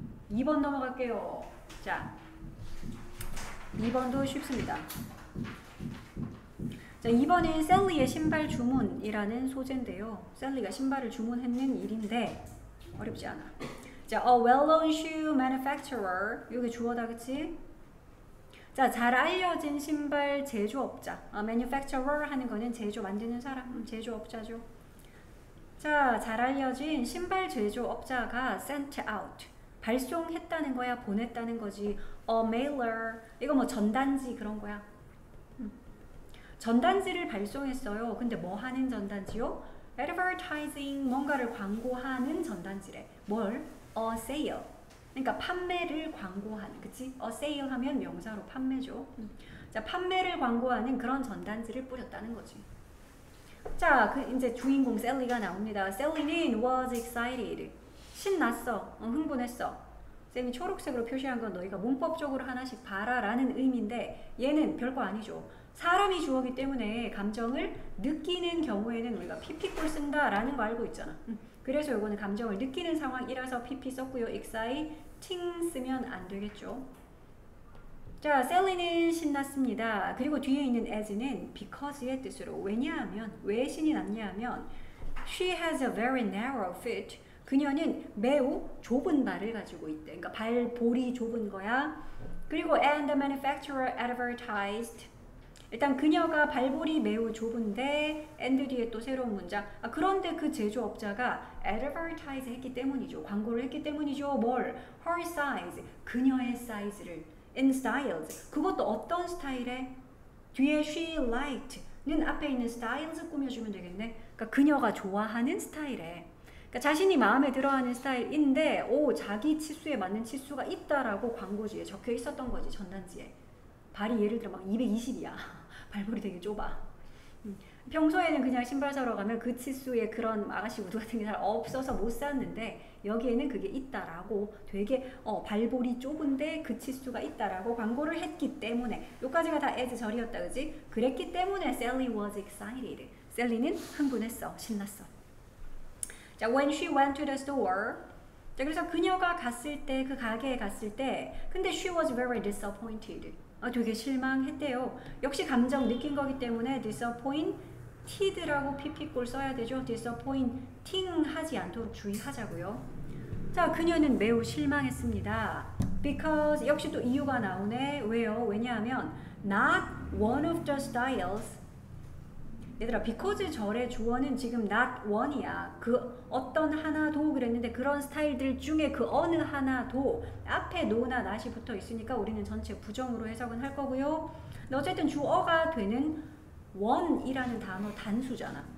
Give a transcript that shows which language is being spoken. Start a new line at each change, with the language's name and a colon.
Korean: 2번 넘어갈게요. 자, 2번도 쉽습니다. 자, 2번은 셀리의 신발 주문이라는 소재인데요. 셀리가 신발을 주문했는 일인데 어렵지 않아. 자,
English: a well-known shoe manufacturer.
Korean: 이게 주어다, 그치? 자, 잘 알려진 신발 제조업자. manufacturer 하는 거는 제조 만드는 사람, 제조업자죠. 자, 잘 알려진 신발 제조업자가
English: sent out.
Korean: 발송했다는 거야, 보냈다는 거지.
English: a mailer.
Korean: 이거 뭐 전단지 그런 거야. 전단지를 발송했어요. 근데 뭐 하는 전단지요?
English: advertising.
Korean: 뭔가를 광고하는 전단지래. 뭘?
English: a sale.
Korean: 그러니까 판매를 광고하는, 그치? a sale 하면 명사로 판매죠. 자, 판매를 광고하는 그런 전단지를 뿌렸다는 거지. 자, 그 이제 주인공 셀리가 나옵니다. 셀리는
English: was excited.
Korean: 신났어. 흥분했어. 쌤이 초록색으로 표시한 건 너희가 문법적으로 하나씩 봐라라는 의미인데 얘는 별거 아니죠. 사람이 주어기 때문에 감정을 느끼는 경우에는 우리가 PP꼴 쓴다라는 거 알고 있잖아. 그래서 이거는 감정을 느끼는 상황이라서 PP 썼고요. exciting 쓰면 안 되겠죠. 자, 셀리는 신났습니다. 그리고 뒤에 있는 as는 because의 뜻으로 왜냐하면 왜 신이 났냐면
English: she has a very narrow feet.
Korean: 그녀는 매우 좁은 발을 가지고 있대. 그러니까 발볼이 좁은 거야. 그리고
English: and the manufacturer advertised.
Korean: 일단 그녀가 발볼이 매우 좁은데 and 뒤에 또 새로운 문장. 아, 그런데 그 제조업자가 advertise 했기 때문이죠. 광고를 했기 때문이죠. 뭘?
English: her size.
Korean: 그녀의 사이즈를.
English: in styles.
Korean: 그것도 어떤 스타일에? 뒤에
English: she liked
Korean: 는 앞에 있는 styles 꾸며주면 되겠네. 그러니까 그녀가 좋아하는 스타일에. 그러니까 자신이 마음에 들어하는 스타일인데, 오, 자기 치수에 맞는 치수가 있다라고 광고지에 적혀 있었던 거지, 전단지에. 발이 예를 들어 막 220이야. 발볼이 되게 좁아. 평소에는 그냥 신발 사러 가면 그 치수에 그런 아가씨 우드 같은 게잘 없어서 못 샀는데, 여기에는 그게 있다라고 되게, 발볼이 좁은데 그 치수가 있다라고 광고를 했기 때문에, 여기까지가 다 as 절이었다, 그지? 그랬기 때문에
English: Sally was excited.
Korean: Sally는 흥분했어, 신났어. 자,
English: when she went to the store.
Korean: 자, 그래서 그녀가 갔을 때, 그 가게에 갔을 때, 근데
English: she was very disappointed.
Korean: 아, 되게 실망했대요. 역시 감정 느낀 거기 때문에 disappointed라고 PP꼴 써야 되죠. disappointing 하지 않도록 주의하자고요. 자, 그녀는 매우 실망했습니다. because, 역시 또 이유가 나오네. 왜요? 왜냐하면,
English: not one of the styles.
Korean: 얘들아, because 절의 주어는 지금 not one이야. 그 어떤 하나도 그랬는데 그런 스타일들 중에 그 어느 하나도 앞에 no나 not이 붙어 있으니까 우리는 전체 부정으로 해석은 할 거고요. 어쨌든 주어가 되는 one이라는 단어 단수잖아.